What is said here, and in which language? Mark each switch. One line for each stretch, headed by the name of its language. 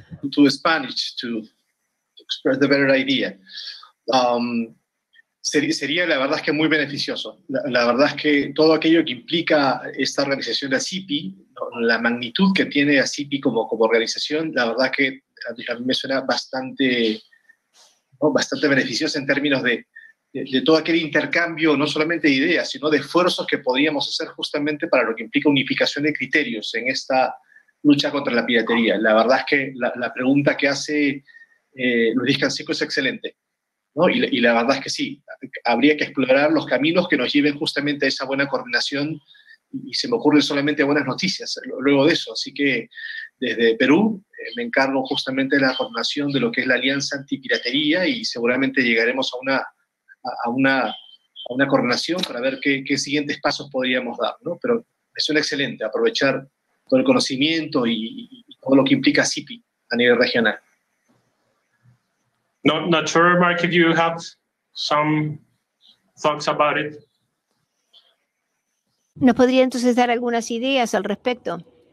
English: To Spanish to express the better idea.
Spanish: Sería la verdad es que muy beneficioso. La verdad es que todo aquello que implica esta organización de CIPI, la magnitud que tiene a CIPI como organización, la verdad que a mí me suena bastante, ¿no?, bastante beneficioso en términos de todo aquel intercambio, no solamente de ideas, sino de esfuerzos que podríamos hacer justamente para lo que implica unificación de criterios en esta lucha contra la piratería. La verdad es que la pregunta que hace Luis Canseco es excelente, ¿no? Y la verdad es que sí, habría que explorar los caminos que nos lleven justamente a esa buena coordinación, y se me ocurren solamente buenas noticias luego de eso. Así que desde Perú me encargo justamente de la coordinación de lo que es la Alianza Antipiratería, y seguramente llegaremos a una coordinación para ver qué siguientes pasos podríamos dar, ¿no? Pero me suena excelente aprovechar todo el conocimiento y todo lo que implica CIPI a nivel regional.
English: Not sure, Mark, if you have some thoughts about it.
Spanish: ¿Nos podría entonces dar algunas ideas al respecto?